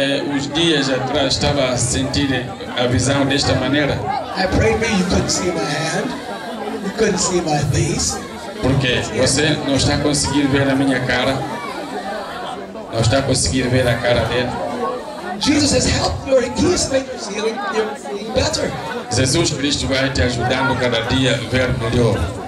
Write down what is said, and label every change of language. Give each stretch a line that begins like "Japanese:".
Portuguese: Uns dias atrás estava a sentir a visão desta maneira.
English: I pray for you couldn't see my hand. You couldn't see my face.
Portuguese: Porque você não está conseguindo ver a minha cara. Não está conseguindo ver a cara dele.
English: Jesus has helped your healing better.
Portuguese: Jesus Cristo vai te ajudando cada dia a ver melhor.